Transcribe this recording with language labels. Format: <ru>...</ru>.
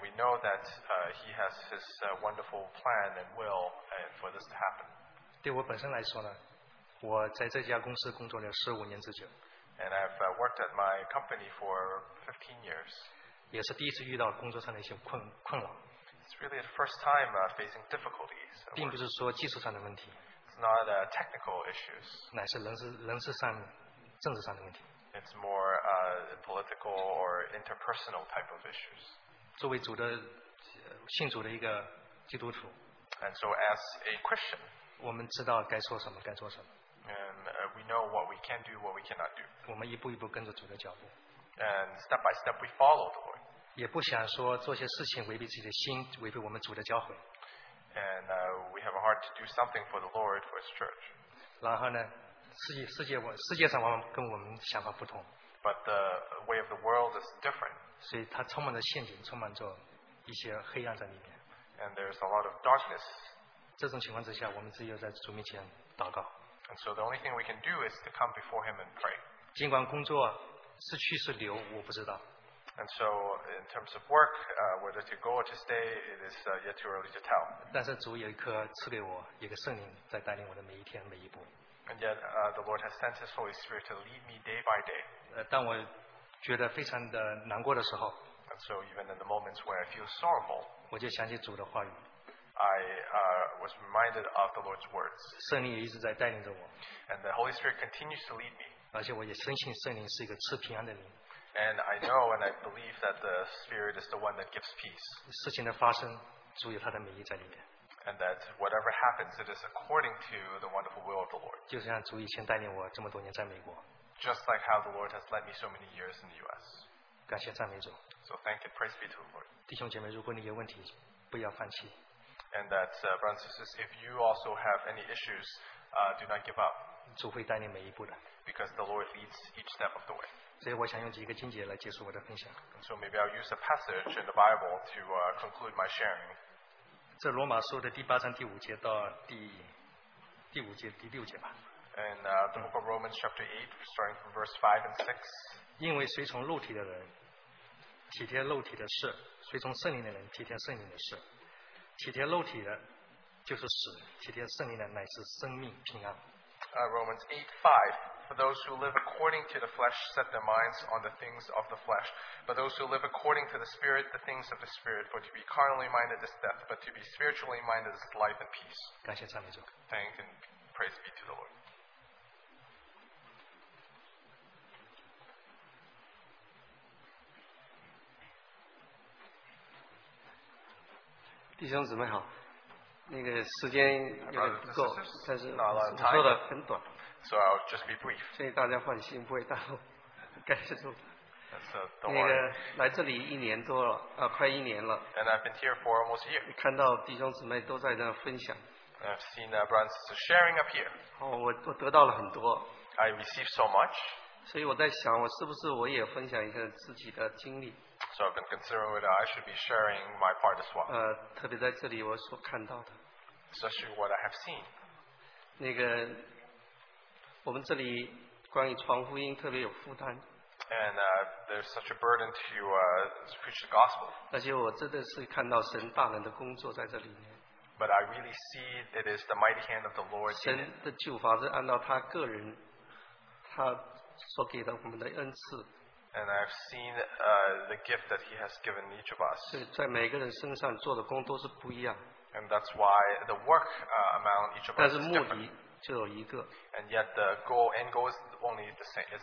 <en>we know that He has His wonderful plan and will for this to happen.</en> <zh>对我本身来说呢，我在这家公司工作了15年之久。</zh> <en>And I've worked at my company for 15 years.</en> <zh>也是第一次遇到工作上的一些困扰。</zh> <en>It's really the first time facing difficulties.</en> <zh>并不是说技术上的问题。</zh> <en>It's not technical issues.</en> <zh>乃是人事上、政治上的问题。</zh> <en>It's more political or interpersonal type of issues.</en> <zh>作为主的信主的一个基督徒。</zh> <en>And so as a Christian,</en> <zh>我们知道该说什么，该做什么。</zh> <en>We know what we can do, what we cannot do.</en> <zh>我们一步一步跟着主的脚步。</zh> <en>And step by step, we follow the Lord.</en> <zh>也不想说做些事情违背自己的心，违背我们主的教诲。</zh> <en>And we have a heart to do something for the Lord, for His church.</en> <zh>然后呢，世界上往往跟我们想法不同。</zh> <en>But the way of the world is different.</en> <zh>所以它充满着陷阱，充满着一些黑暗在里面。</zh> <en>And there's a lot of darkness.</en> <zh>这种情况之下，我们只有在主面前祷告。</zh> <en>And so the only thing we can do is to come before Him and pray.</en> <zh>尽管工作是去是留，我不知道。</zh> <en>And so in terms of work, whether to go or to stay, it is yet too early to tell.</en> <zh>但是主有一颗赐给我一个圣灵，在带领我的每一天每一步。</zh> <en>And yet, the Lord has sent His Holy Spirit to lead me day by day.</en> <zh>当我觉得非常的难过的时候。</zh> <en>And so even in the moments where I feel sorrowful,</en> <zh>我就想起主的话语。</zh> <en>I was reminded of the Lord's words.</en> <zh>圣灵也一直在带领着我。</zh> <en>And the Holy Spirit continues to lead me.</en> <zh>而且我也深信圣灵是一个赐平安的灵。</zh> <en>And I know and I believe that the Spirit is the one that gives peace.</en> <zh>事情的发生，主有他的美意在里面。</zh> <en>And that whatever happens, it is according to the wonderful will of the Lord.</en> <zh>就像主以前带领我这么多年在美国。</zh> <en>Just like how the Lord has led me so many years in the U.S.</en> <zh>感谢赞美主。</zh> <en>So thank and praise be to the Lord.</en> <zh>弟兄姐妹，如果你有问题，不要放弃。</zh> <en>And that, brothers and sisters, if you also have any issues, do not give up.</en> <zh>主会带领每一步的。</zh> <en>Because the Lord leads each step of the way.</en> <zh>所以我想用几个经节来结束我的分享。</zh> <en>So maybe I'll use a passage in the Bible to conclude my sharing.</en> <zh>这罗马书的第八章第五节到第五节第六节吧。</zh> <en>And the book of Romans chapter 8, starting from verse 5 and 6.</en> <zh>因为随从肉体的人体贴肉体的事，随从圣灵的人体贴圣灵的事。体贴肉体的，就是死；体贴圣灵的，乃是生命平安。</zh> <en>Romans 8:5. For those who live according to the flesh set their minds on the things of the flesh, but those who live according to the Spirit, the things of the Spirit. For to be carnally minded is death, but to be spiritually minded is life and peace.</en> <zh>感谢赞美主。</zh> <en>Thank and praise be to the Lord.</en> <zh>弟兄姊妹好，那个时间有点不够，但是我说的很短，所以大家放心，不会耽误。感谢主。那个来这里一年多了，快一年了。</zh> <en>And I've been here for almost a year.</en> <zh>看到弟兄姊妹都在那分享。</zh> <en>I've seen brothers sharing up here.</en> <zh>我得到了很多。</zh> <en>I received so much.</en> <zh>所以我在想，我是不是我也分享一下自己的经历。</zh> <en>So I've been considering whether I should be sharing my part as well.</en> <zh>特别在这里我所看到的。</zh> <en>Especially what I have seen.</en> <zh>那个，我们这里关于传福音特别有负担。</zh> <en>And there's such a burden to preach the gospel.</en> <zh>而且我真的是看到神大能的工作在这里面。</zh> <en>But I really see it is the mighty hand of the Lord.</en> <zh>神的救法是按照他个人，他所给的我们的恩赐。</zh> <en>And I've seen the gift that He has given each of us.</en> <zh>在每个人身上做的工都是不一样。</zh> <en>And that's why the work among each of us.</en> <zh>但是目的只有一个。</zh> <en>And yet the goal end goal is only the same.</en>